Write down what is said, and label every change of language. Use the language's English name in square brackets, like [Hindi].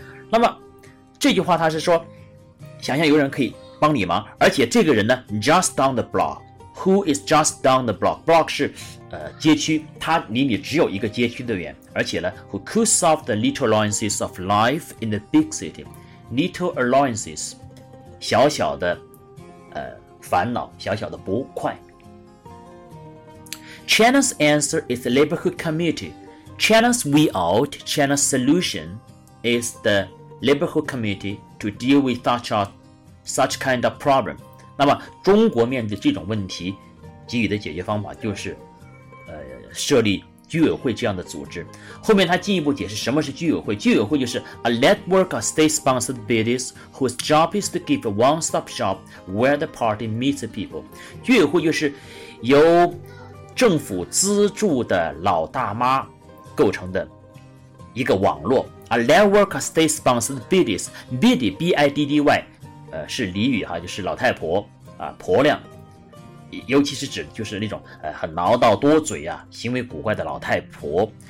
[Chinese] 那么这句话它是说想象有人可以帮你忙而且这个人呢 [English] just down the block who is just down the block block [Chinese] 是、街区他离你只有一个街区的远而且呢 [English] who could solve the little annoyances [Chinese] of life in the big city little annoyances 小小的、烦恼小小的不快 [English] China's answer is the neighborhood committee China's way out China's solution is the neighborhood committee to deal with such kind of problem [Chinese] 那么中国面对这种问题给予的解决方法就是、设立居委会这样的组织后面他进一步解释什么是居委会居委会就是 [English] a network of state-sponsored bodies whose job is to give a one-stop shop where the party meets the people [Chinese] 居委会就是由政府资助的老大妈构成的一个网络 [English] a network of state-sponsored bodies biddy B-I-D-D-Y [Chinese] 是俚语哈，就是老太婆啊，婆娘，尤其是指就是那种很唠叨多嘴啊，行为古怪的老太婆。